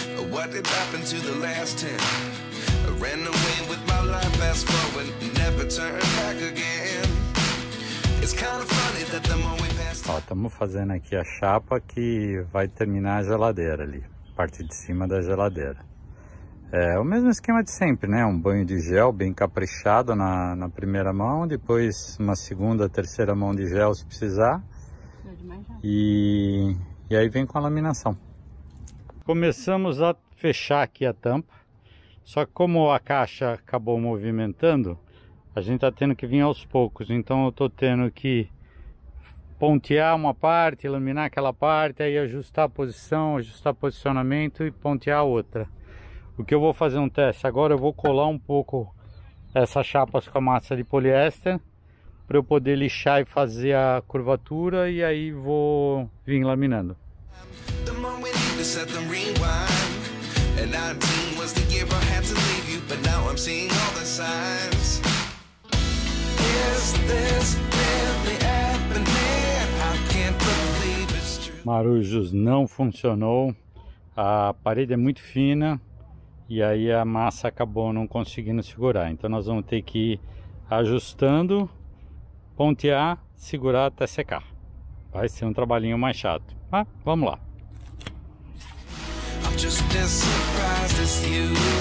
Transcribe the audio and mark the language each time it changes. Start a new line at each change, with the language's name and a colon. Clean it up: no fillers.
English: What did happen to the last 10? I ran away with my life fast forward, never turn back again. It's kind of funny that the more we pass.
Portuguese: Ó, estamos fazendo aqui a chapa que vai terminar a geladeira ali, parte de cima da geladeira. É o mesmo esquema de sempre, né? Um banho de gel bem caprichado na primeira mão, depois uma segunda, terceira mão de gel se precisar. E aí vem com a laminação. Começamos a fechar aqui a tampa, só que como a caixa acabou movimentando, a gente está tendo que vir aos poucos, então eu estou tendo que pontear uma parte, laminar aquela parte, aí ajustar a posição, ajustar posicionamento e pontear outra. O que eu vou fazer um teste agora, eu vou colar um pouco essas chapas com a massa de poliéster para eu poder lixar e fazer a curvatura e aí vou vir laminando.
English: Set them rewind, and 19 was the year I had to leave you, but now I'm seeing all the signs. Is this really happening? I can't believe it's true.
Portuguese: Marujos, não funcionou. A parede é muito fina e aí a massa acabou não conseguindo segurar. Então nós vamos ter que ir ajustando, pontear, segurar até secar. Vai ser um trabalhinho mais chato, mas vamos lá.
English: Just as surprised as you.